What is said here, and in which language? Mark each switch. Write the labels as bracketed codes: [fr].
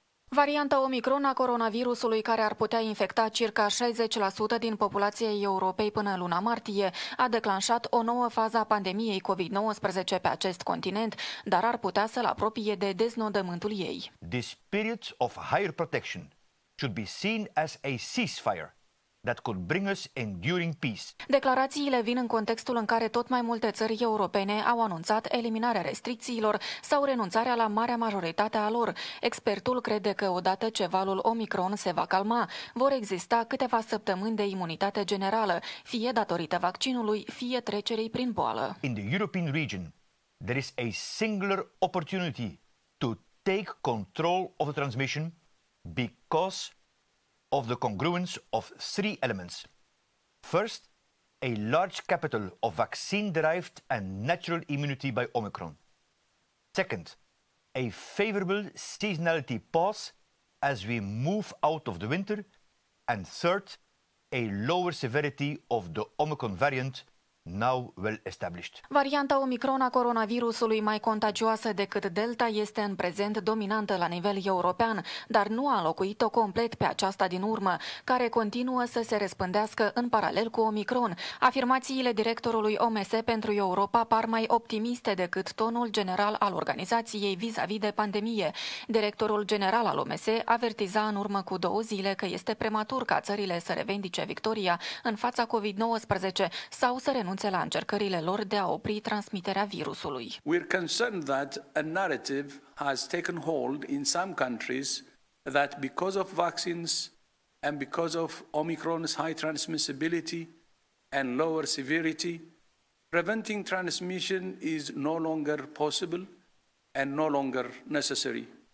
[ro] Varianta Omicron a coronavirusului, care ar putea infecta circa 60% din populația Europei până luna martie, a declanșat o nouă fază a pandemiei COVID-19 pe acest continent, dar ar putea să-l apropie de deznodământul ei. [en] This period of higher protection should be seen as a ceasefire that could bring us enduring peace. [ro] Declarațiile vin în contextul în care tot mai multe țări europene au anunțat eliminarea restricțiilor sau renunțarea la marea majoritate a lor. Expertul crede că odată ce valul Omicron se va calma, vor exista câteva săptămâni de imunitate generală, fie datorită vaccinului, fie trecerii prin boală. [en] In the European region, there is a singular opportunity to take control of the transmission because of the congruence of three elements. First, a large capital of vaccine-derived and natural immunity by Omicron. Second, a favorable seasonality pause as we move out of the winter. And third, a lower severity of the Omicron variant now well established. [ro] Varianta Omicron a coronavirusului, mai contagioasă decât Delta, este în prezent dominantă la nivel european, dar nu a înlocuit-o complet pe aceasta din urmă, care continuă să se răspândească în paralel cu Omicron. Afirmațiile directorului OMS pentru Europa par mai optimiste decât tonul general al organizației vis-a-vis de pandemie. Directorul general al OMS avertiza în urmă cu două zile că este prematur ca țările să revendice victoria în fața COVID-19 sau să renunțe la încercările lor de a opri transmiterea virusului. [en] We are concerned that a narrative has taken hold in some countries that because of vaccines and because of Omicron's high transmissibility and lower severity, preventing transmission is no longer possible and no longer necessary.